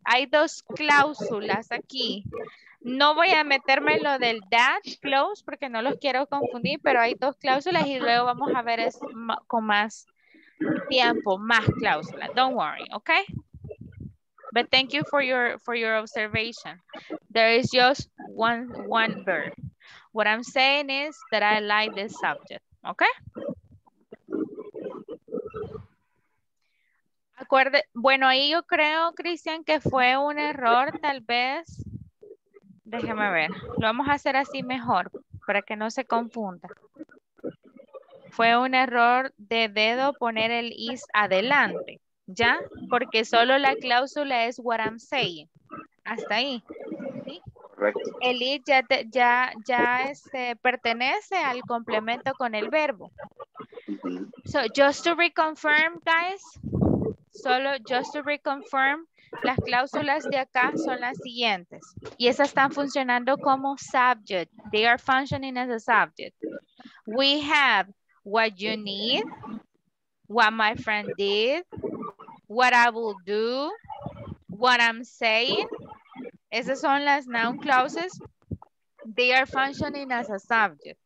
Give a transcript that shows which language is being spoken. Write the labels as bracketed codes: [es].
[es] Hay dos cláusulas aquí. No voy a meterme en lo del that clause porque no los quiero confundir, pero hay dos cláusulas y luego vamos a ver eso con más tiempo, más cláusulas. [en] Don't worry, okay? But thank you for your observation. There is just one verb. What I'm saying is that I like this subject, okay? [es] Acuerde, bueno, ahí yo creo, Cristian, que fue un error, tal vez. Déjeme ver. Lo vamos a hacer así mejor, para que no se confunda. Fue un error de dedo poner el is adelante, ¿ya? Porque solo la cláusula es [en] what I'm saying. [es] Hasta ahí. ¿Sí? Correcto. El is ya pertenece al complemento con el verbo. [en] So, just to reconfirm, guys. [es] Solo, [en] just to reconfirm, [es] las cláusulas de acá son las siguientes. Y esas están funcionando como subject. [en] They are functioning as a subject. We have what you need, what my friend did, what I will do, what I'm saying. [es] Esas son las [en] noun clauses. They are functioning as a subject.